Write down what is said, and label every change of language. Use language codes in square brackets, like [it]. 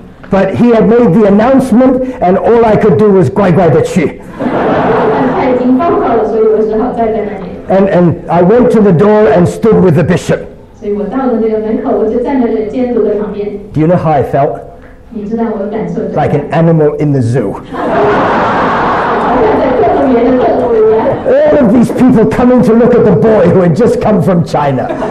[en] But he had made the announcement, and all I could do was [zh] 乖乖地去。他已经报告了，所以我只好站在那里。 [en] And I went to the door and stood with the bishop. [zh] 所以我到了那个门口，我就站在监督的旁边。 [en] Do you know how I felt? [zh] 你知道我的感受怎么样？ [en] Like an animal in the zoo. All of these people coming to look at the boy who had just come from China.